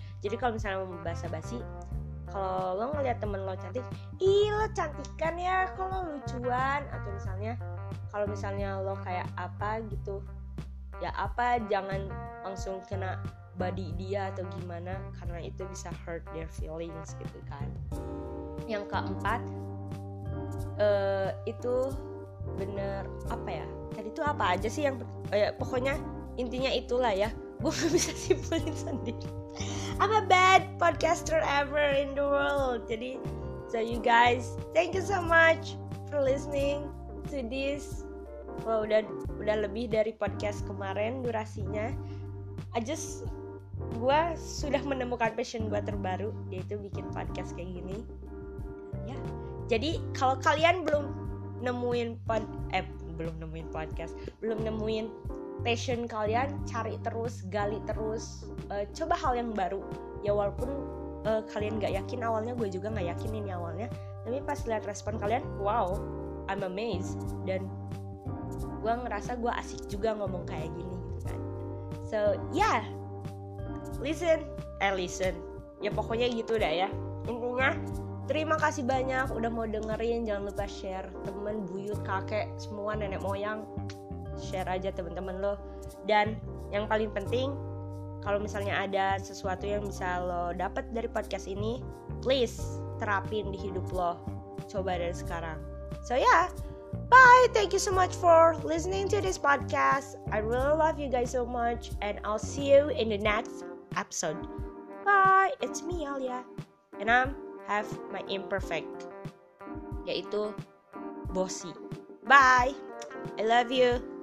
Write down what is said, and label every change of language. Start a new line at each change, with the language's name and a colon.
Indonesian: Jadi kalau misalnya mau basa-basi, kalau lo ngeliat temen lo cantik, ih lo cantikan ya, kalau lucuan, atau misalnya kalau misalnya lo kayak apa gitu ya, apa, jangan langsung kena body dia atau gimana, karena itu bisa
English: hurt their feelings
Indonesian: gitu kan. Yang keempat, itu bener apa ya, tadi itu apa aja sih yang pokoknya intinya itulah ya, gue gak bisa simpulin sendiri.
English: I'm a bad podcaster ever in the world.
Indonesian: Jadi
English: so you guys, thank you so much for listening to this.
Indonesian: Kalau udah lebih dari podcast kemarin durasinya, gue sudah menemukan passion gue terbaru, yaitu bikin podcast kayak gini ya. Jadi kalau kalian belum nemuin podcast, belum nemuin passion kalian, cari terus, gali terus, coba hal yang baru. Ya walaupun kalian gak yakin awalnya, gue juga gak yakin ini awalnya, tapi pas lihat respon kalian,
English: wow, I'm amazed.
Indonesian: Dan gue ngerasa gue asik juga ngomong kayak gini gitu kan.
English: So yeah, listen.
Indonesian: Ya pokoknya gitu dah ya. Intinya terima kasih banyak udah mau dengerin. Jangan lupa share temen, buyut, kakek, semua nenek moyang, share aja temen-temen lo. Dan yang paling penting, kalau misalnya ada sesuatu yang bisa lo dapat dari podcast ini, please terapin di hidup lo. Coba dari sekarang.
English: So yeah, bye. Thank you so much for listening to this podcast. I really love you guys so much, and I'll see you in the next episode. Bye. It's me, Alia, and I'm have my imperfect,
Indonesian: yaitu
English: bossy. Bye. I love you.